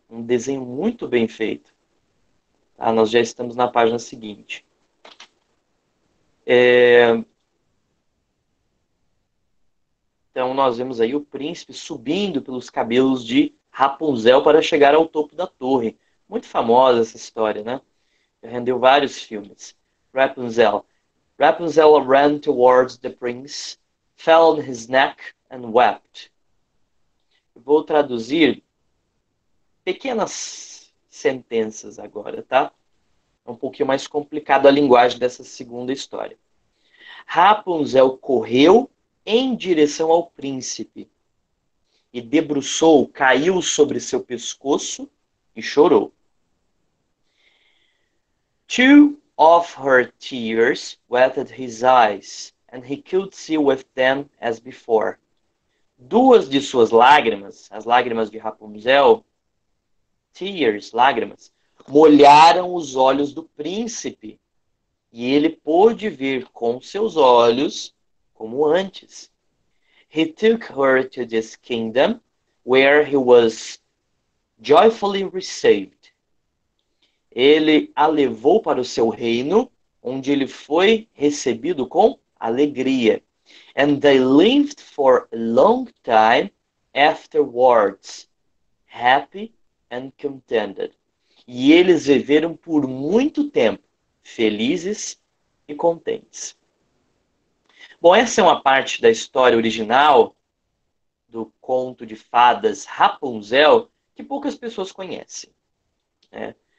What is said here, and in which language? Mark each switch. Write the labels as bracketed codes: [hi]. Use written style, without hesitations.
[pt] Um desenho muito bem feito. Tá? Nós já estamos na página seguinte. Então, nós vemos aí o príncipe subindo pelos cabelos de Rapunzel para chegar ao topo da torre. Muito famosa essa história, né? Rendeu vários filmes. Rapunzel. [en] Rapunzel ran towards the prince, fell on his neck and wept. [pt] Vou traduzir pequenas sentenças agora, tá? É um pouquinho mais complicado a linguagem dessa segunda história. Rapunzel correu em direção ao príncipe e debruçou, caiu sobre seu pescoço e chorou. [en] Two of her tears wetted his eyes, and he could see with them as before. [pt] Duas de suas lágrimas, as lágrimas de Rapunzel, tears, lágrimas, molharam os olhos do príncipe, e ele pôde ver com seus olhos como antes. [en] He took her to this kingdom, where he was joyfully received. [pt] Ele a levou para o seu reino, onde ele foi recebido com alegria. [en] And they lived for a long time afterwards, happy and contented. [pt] E eles viveram por muito tempo, felizes e contentes. Bom, essa é uma parte da história original do conto de fadas Rapunzel que poucas pessoas conhecem, né?